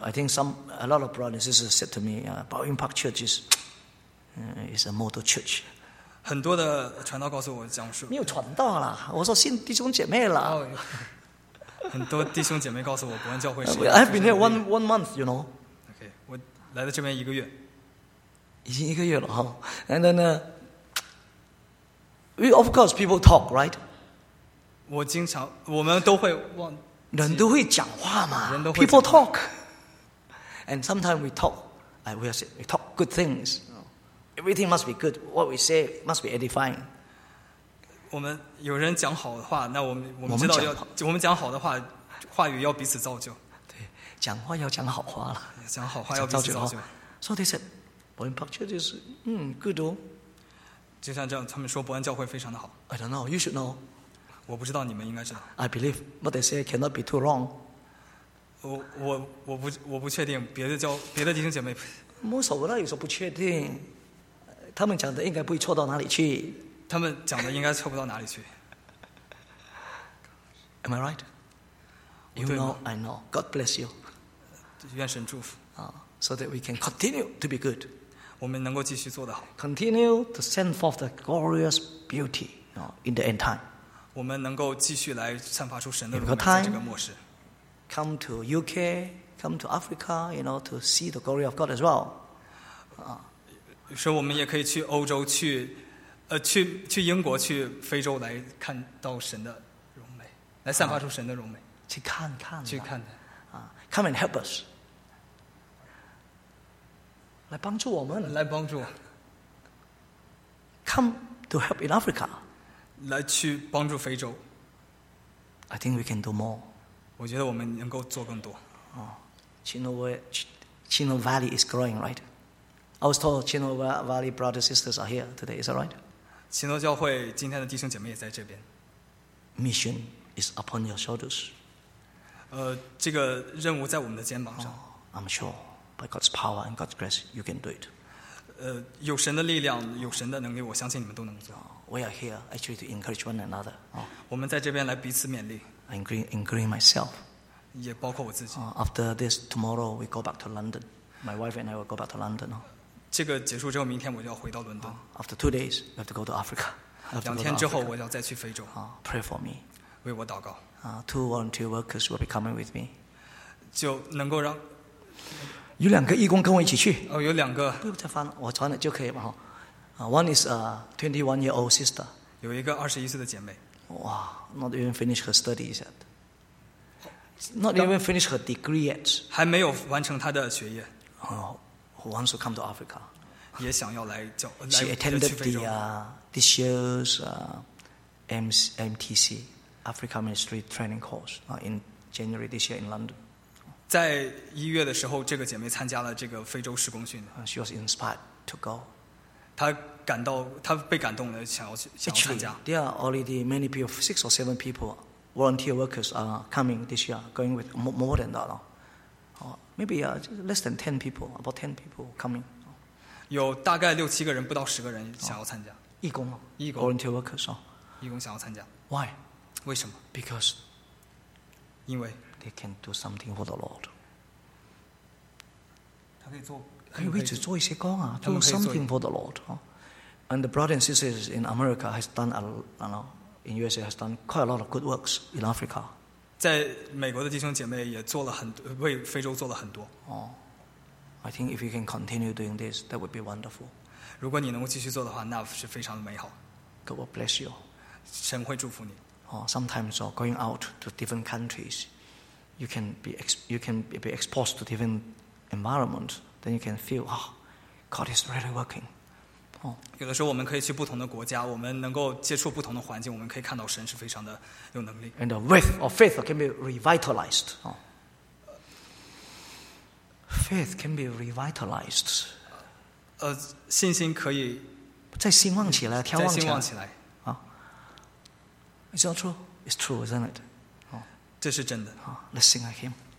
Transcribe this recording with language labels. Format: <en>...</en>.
<en>I think a lot of brothers and sisters said to me, Bowen Park Church is a model church.</en> <zh>很多的传道告诉我讲述，没有传道啦，我说信弟兄姐妹啦。很多弟兄姐妹告诉我，伯恩教会是。</zh> <en>I've been here one month, you know.</en> <zh>Okay, 我来到这边一个月，已经一个月了哈。And</zh> <en>then, we of course people talk, right?</en> <zh>我们都会讲话嘛。人都会讲话。</zh> <en>People talk, and sometimes we talk. We talk good things. Everything must be good. What we say must be edifying.</en> <zh>我们有人讲好的话，那我们知道要我们讲好的话，话语要彼此造就。对，讲话要讲好话了。讲好话要彼此造就。</zh> <en>So they said, Boyan Pakcha</en> <zh>就是</zh> <en>good 哦。</en> <zh>就像这样，他们说伯恩教会非常的好。</zh> <en>I don't know. You should know.</en> <zh>我不知道，你们应该知道。</zh> <en>I believe what they say cannot be too wrong.</en> <zh>我不确定别的弟兄姐妹。</zh> <en>Most of them</en> <zh>有时候不确定。他们讲的应该不会错到哪里去。他们讲的应该错不到哪里去。</zh> <en>Am I right? You know, I know. God bless you.</en> <zh>愿神祝福。</zh> <en>So that we can continue to be good.</en> <zh>我们能够继续做得好。</zh> <en>Continue to send forth the glorious beauty, you know, in the end time.</en> <zh>我们能够继续来散发出神的荣耀在这个末世。</zh> <en>Come to UK, come to Africa, you know, to see the glory of God as well.</en> <zh>说我们也可以去欧洲，去英国，去非洲来看到神的荣美，来散发出神的荣美。去看看。去看的。</zh> <en>Come and help us.</en> <zh>来帮助我们。来帮助。</zh> <en>Come to help in Africa.</en> <zh>来去帮助非洲。</zh> <en>I think we can do more.</en> <zh>我觉得我们能够做更多。</zh> <en>Chino Valley is growing, right? I was told Chino Valley brothers and sisters are here today. Is that right?</en> <zh>奇诺教会今天的弟兄姐妹也在这边。</zh> <en>Mission is upon your shoulders.</en> <zh>这个任务在我们的肩膀上。</zh> <en>Oh, I'm sure by God's power and God's grace, you can do it.</en> <zh>有神的力量，有神的能力，我相信你们都能做。</zh> <en>We are here actually to encourage one another.</en> <zh>我们在这边来彼此勉励。</zh> <en>I agree myself.</en> <zh>也包括我自己。</zh> <en>After this tomorrow, we go back to London. My wife and I will go back to London.</en> <zh>这个结束之后，明天我就要回到伦敦。</zh> <en>After 2 days, we have to go to Africa.</en> <zh>两天之后，我要再去非洲。</zh> <en>Pray for me.</en> <zh>为我祷告。</zh> <en>Two volunteer workers will be coming with me.</en> <zh>就能够让有两个义工跟我一起去。有两个。不用再翻了，我传了就可以了。</zh> <en>One is a 21-year-old sister.</en> <zh>有一个21岁的姐妹。</zh> <en>哇 ，not even finish her studies yet. Not even finish her degree yet.</en> <zh>还没有完成她的学业。</zh> <en>Who wants to come to Africa?</en> <zh>也想要来教。</zh> <en>She attended the this year's MTC Africa Ministry Training Course in January this year in London.</en> <zh>在一月的时候，这个姐妹参加了这个非洲施工训。</zh> <en>She was inspired to go.</en> <zh>她被感动了，想要参加。</zh> <en>There are already many people, 6 or 7 people, volunteer workers are coming this year, going with more than that. Maybe less than 10 people, about 10 people coming.</en> <zh>有大概六七个人，不到十个人想要参加。义工啊，义工</zh> <en>，volunteer workers 啊，</en> <zh>义工想要参加。</zh> <en>Why?</en> <zh>为什么</zh> <en>？Because.</en> <zh>因为。</zh> <en>They can do something for the Lord.</en> <zh>他可以做。可以为主做一些工啊</zh> <en>，do something for the Lord. And the brothers and sisters in America has done in USA has done quite a lot of good works in Africa.</en> <zh>在美国的弟兄姐妹也做了很多，为非洲做了很多。</zh> <en>I think if you can continue doing this, that would be wonderful.</en> <zh>如果你能够继续做的话，那是非常的美好。</zh> <en>God will bless you.</en> <zh>神会祝福你。</zh> <en>Sometimes going out to different countries, you can be exposed to different environments, then you can feel, God is really working.</en> <zh>有的时候我们可以去不同的国家，我们能够接触不同的环境，我们可以看到神是非常的有能力。</zh> <en>And the faith of faith can be revitalized. Faith can be revitalized.</en> <zh>信心可以再兴旺起来，挑旺起来。再兴旺起来。</zh> <en>Is that true? It's true, isn't it?</en> <zh>这是真的。</zh> <en>Let's sing a hymn.</en>